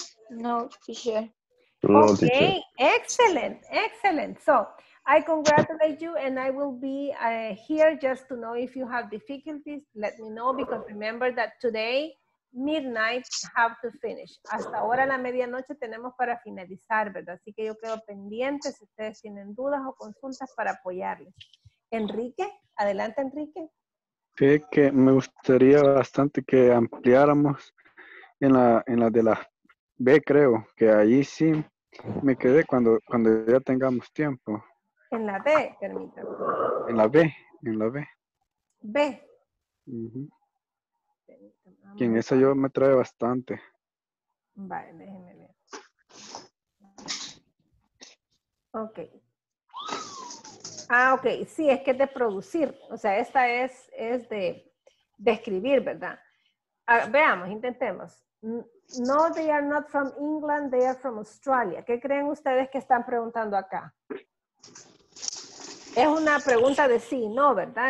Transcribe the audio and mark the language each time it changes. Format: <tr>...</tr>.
<en>No, teacher. Okay, teacher. Excellent, excellent. So, I congratulate you and I will be here just to know if you have difficulties. Let me know because remember that today, midnight, have to finish.</en> <es>Hasta ahora la medianoche tenemos para finalizar, ¿verdad? Así que yo quedo pendiente si ustedes tienen dudas o consultas para apoyarles. Enrique, adelante, Enrique. Sí, que me gustaría bastante que ampliáramos en la de la B, creo, que ahí sí me quedé cuando ya tengamos tiempo. En la B, permítame. En la B. B. Uh-huh. En esa yo me trae bastante. Vale, déjenme ver. Ok. Ah, ok. Sí, es que es de producir. O sea, esta es de escribir, ¿verdad? Veamos, intentemos.</es> <en>No, they are not from England, they are from Australia.</en> <es>¿Qué creen ustedes que están preguntando acá? Es una pregunta de sí y no, ¿verdad?</es>